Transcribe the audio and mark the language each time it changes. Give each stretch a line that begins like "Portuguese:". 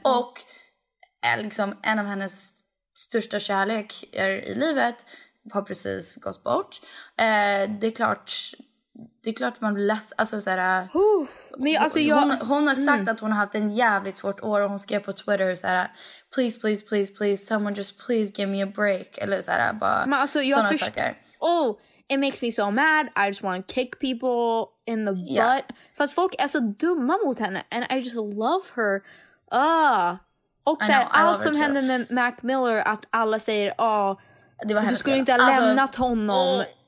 Swedish: Och liksom, en av hennes största kärlek är i livet har precis gått bort. Det är klart man blir less, alltså så här, men alltså hon har sagt att hon har haft en jävligt svårt år och hon skrev på Twitter så här,
English: please please please please someone just please give me a break
Swedish: eller så här, bara. Men alltså jag saker.
English: Oh, it makes me so mad. I just want to kick people in the butt. Yeah.
Swedish: För att folk är så dumma mot henne
English: and I just love her.
Swedish: Och sen allt som hände med Mac Miller, att alla säger, du skulle inte ha lämnat honom.